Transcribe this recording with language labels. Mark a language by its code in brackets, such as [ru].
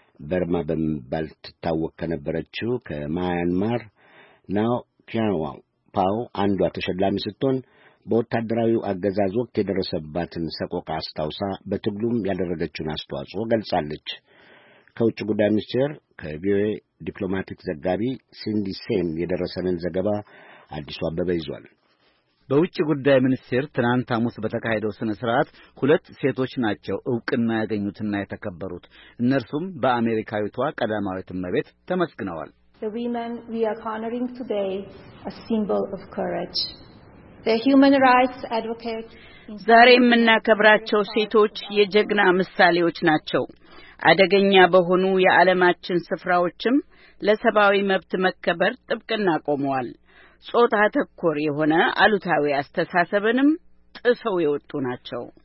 [am] በርማ በመባል ትታወቅ ከነበረችው ከማያንማር ናው ኪያዋ ፓው አንዷ ተሸላሚ ስትሆን በወታደራዊው አገዛዝ ወቅት የደረሰባትን ሰቆቃ አስታውሳ በትግሉም ያደረገችውን አስተዋጽኦ ገልጻለች። ከውጭ ጉዳይ ሚኒስቴር ከቪኦኤ ዲፕሎማቲክ ዘጋቢ ሲንዲ ሴን የደረሰንን ዘገባ አዲሱ አበበ ይዟል። በውጭ ጉዳይ ሚኒስቴር ትናንት አሙስ በተካሄደው ስነ ስርዓት 2 ሴቶች ናቸው እውቅና ያገኙትና የተከበሩት። እነርሱም በአሜሪካዊቷ ቀዳማዊት እመቤት ተመስግነዋል። [en] The women we are honoring today are a symbol of courage. The human rights advocate. [am] ዛሬ የምናከብራቸው ሴቶች የጀግና ምሳሌዎች ናቸው። አደገኛ በሆኑ የዓለማችን ስፍራዎችም ለሰብአዊ መብት መከበር ጥብቅና ቆመዋል። ጾታ ተኮር የሆነ አሉታዊ አስተሳሰብንም ጥሰው የወጡ ናቸው።